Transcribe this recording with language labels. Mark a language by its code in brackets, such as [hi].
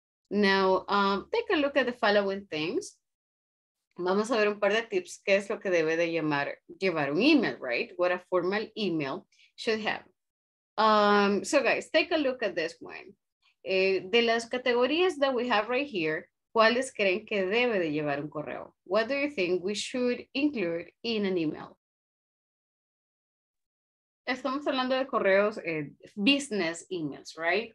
[en] Now, take a look at the following things. [es] Vamos a ver un par de tips. ¿Qué es lo que debe de llevar un email, [en] right? What a formal email should have. So guys, take a look at this one. [es] De las categorías [en] that we have right here, [es] ¿cuáles creen que debe de llevar un correo? [en] What do you think we should include in an email? [es] Estamos hablando de correos, [en] business emails, right?